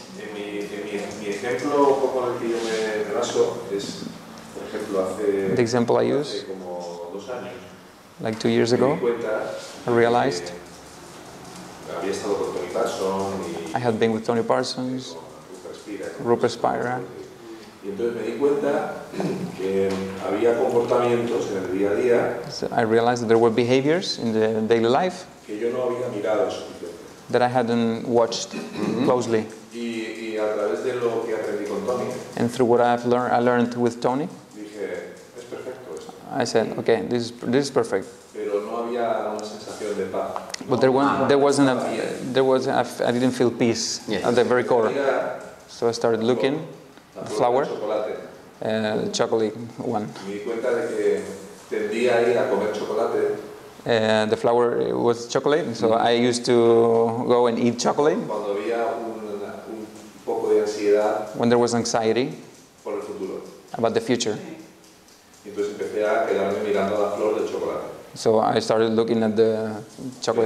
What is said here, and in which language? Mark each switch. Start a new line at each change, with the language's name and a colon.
Spanish: En mi ejemplo, un poco en el que yo me baso, es, por ejemplo, hace como 2 años.
English: Like 2 years ago, I realized.
Spanish: Había estado con Tony Parsons.
English: I had been with Tony Parsons. Rupert Spira.
Spanish: Y entonces me di cuenta que había comportamientos en el día a día.
English: So I realized that there were behaviors in the daily life.
Spanish: Que yo no había mirado suficiente.
English: That I hadn't watched closely.
Spanish: Y a través de lo que aprendí con Tony.
English: And through what I learned with Tony.
Spanish: Dije, es perfecto esto.
English: I said, okay, this is perfect.
Spanish: Pero no había una sensación de paz.
English: But I didn't feel peace, yes, at the very core. So I started looking. The flower. The chocolate one.
Spanish: Me di cuenta de que tendía a ir a comer chocolate.
English: The flower was chocolate, so I used to go and eat chocolate.
Spanish: Cuando había un poco de ansiedad,
English: when there was anxiety
Spanish: por el futuro,
English: about the future.
Spanish: Entonces empecé a quedarme mirando la flor del chocolate.
English: So I started looking at the chocolate